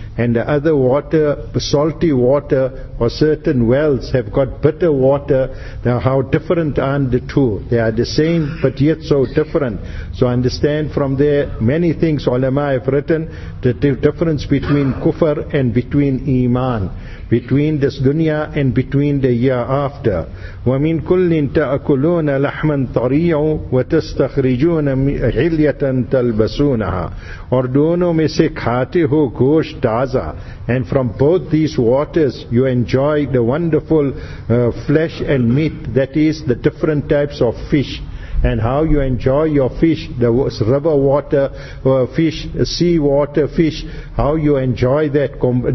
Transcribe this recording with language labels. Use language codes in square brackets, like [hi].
[en] And the other water, salty water, or certain wells have got bitter water. Now how different are the two? They are the same, but yet so different. So understand from there many things ulama have written, the difference between kufr and between iman, between this dunya and between the year after. [ar] وَمِنْ كُلِّنْ تَأَكُلُونَ لَحْمًا طَرِيعُ وَتَسْتَخْرِجُونَ حِلْيَةً تَلْبَسُونَهَا Or [ur] دونوں میں سے کھاتے ہو گوشت تازہ. [en] And from both these waters you enjoy the wonderful flesh and meat, that is the different types of fish. And how you enjoy your fish, the river water, fish, sea water, fish, how you enjoy that.